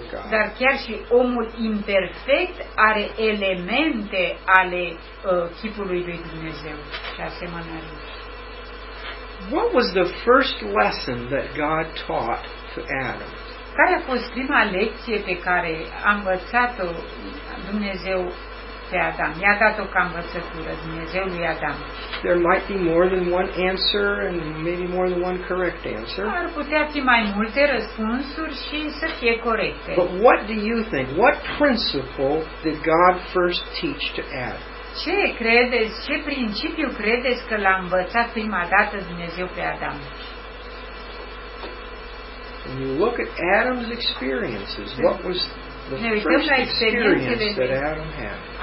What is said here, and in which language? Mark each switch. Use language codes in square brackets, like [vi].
[ro] Dar chiar și omul imperfect are elemente ale chipului lui Dumnezeu și asemănării. [en] What was the first lesson that God taught to Adam? [ro] Care a fost prima lecție pe care a învățat-o Dumnezeu pe Adam? I-a dat-o ca învățătură Dumnezeu lui Adam. [en] There might be more than one answer and maybe more than one correct answer. [ro] Ar putea fi mai multe răspunsuri și să fie corecte. [en] But what do you think? What principle did God first teach to Adam? [ro] Ce credeți, ce principiu credeți că l-a învățat prima dată Dumnezeu pe Adam? [en] When you look at Adam's experiences, what was the first experience that Adam had?